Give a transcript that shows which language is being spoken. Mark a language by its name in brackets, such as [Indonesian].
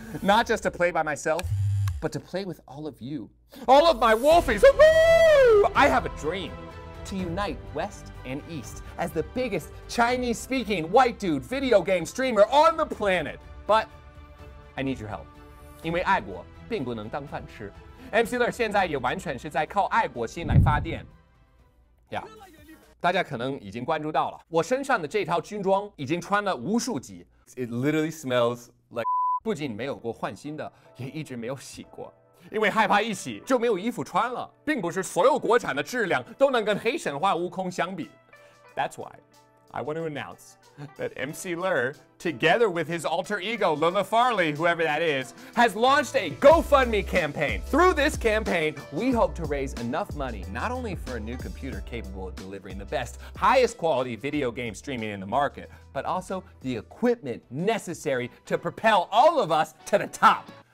[English] Not just to play by myself, but to play with all of you. All of my wolfies. I have a dream to unite West and East as the biggest Chinese-speaking white dude video game streamer on the planet. But I need your help. [Chinese] 因为爱国并不能当饭吃 ，MC Ler 现在也完全是在靠爱国心来发电。 [English] Yeah, [Chinese] 大家可能已经关注到了，我身上的这套军装已经穿了无数集。 [English] It literally smells like [Chinese] 不仅没有过换新的，也一直没有洗过，因为害怕一洗就没有衣服穿了。并不是所有国产的质量都能跟黑神话悟空相比。 [English] That's why I want to announce. That MC Ler, together with his alter ego, LeLe Farley, whoever that is, has launched a GoFundMe campaign. Through this campaign, we hope to raise enough money not only for a new computer capable of delivering the best, highest quality video game streaming in the market, but also the equipment necessary to propel all of us to the top.